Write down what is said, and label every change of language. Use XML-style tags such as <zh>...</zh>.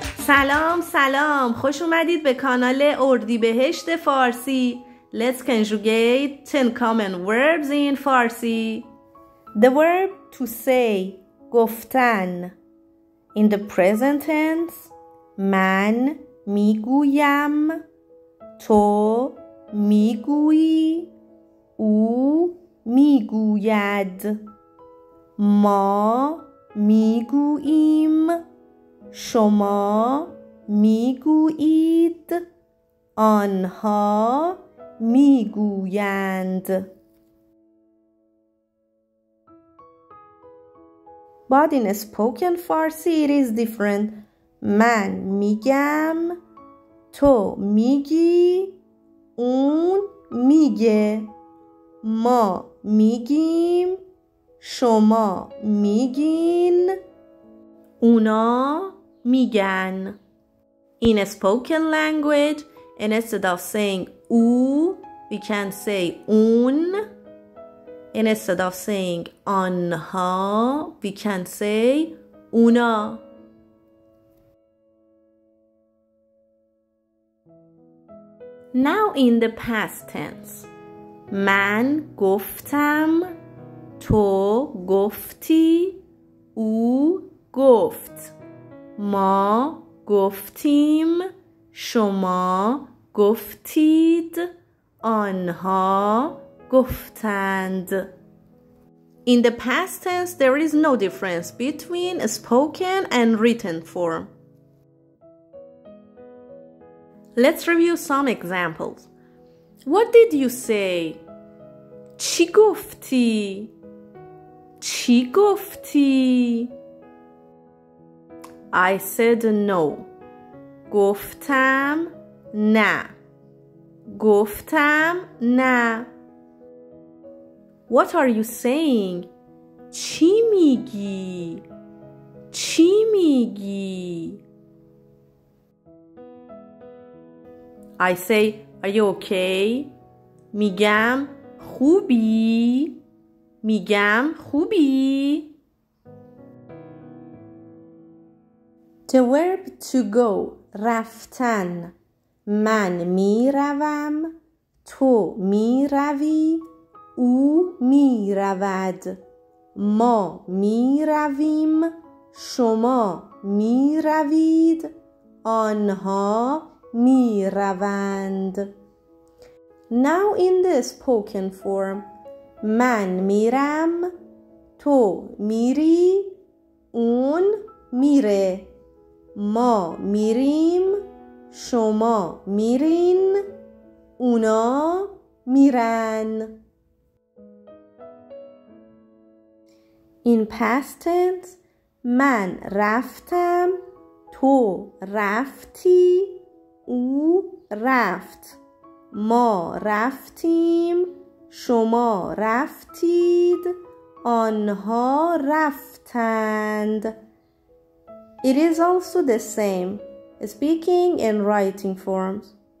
<fa>سلام، خوش اومدید به کانال اردیبهشت فارسی.</fa> <en>Let's conjugate 10 common verbs in Farsi. The verb to say, گفتن. In the present tense,</en> <fa>من میگویم، تو میگویی، او میگوید، ما میگوییم، شما میگویید، آنها میگویند.</fa> <en>But in spoken Farsi it is different.</en> <fa>من میگم، تو میگی، اون میگه، ما میگیم، شما میگین، اونا میگن.</fa> <en>In a spoken language, and instead of saying او, we can say اون. And instead of saying آنها, we can say اونا. Now in the past tense.</en> <fa>من گفتم، تو گفتی، او گفت، ما گفتیم، شما گفتید، آنها گفتند.</fa> <en>In the past tense, there is no difference between spoken and written form. Let's review some examples. What did you say?</en> <fa>چی گفتی؟ چی گفتی؟</fa> <en>I said no.</en> <fa>گفتم نه. گفتم نه.</fa> <en>What are you saying?</en> <fa>چی میگی؟ چی میگی؟</fa> <en>I say, are you okay?</en> <fa>میگم خوبی؟ میگم خوبی؟</fa> <en>The verb to go, رفتن.</en> <fa>من می روم، تو می روی، او می رود، ما می رویم، شما می روید، آنها می روند.</fa> <en>Now in the spoken form,</en> <fa>من میرم، تو میری، اون میره، ما میریم، شما میرین، اونا میرن.</fa> <en>In past tense,</en> <fa>من رفتم، تو رفتی، او رفت، ما رفتیم، شما رفتید، آنها رفتند.</fa> <en>It is also the same, speaking and writing forms.</en>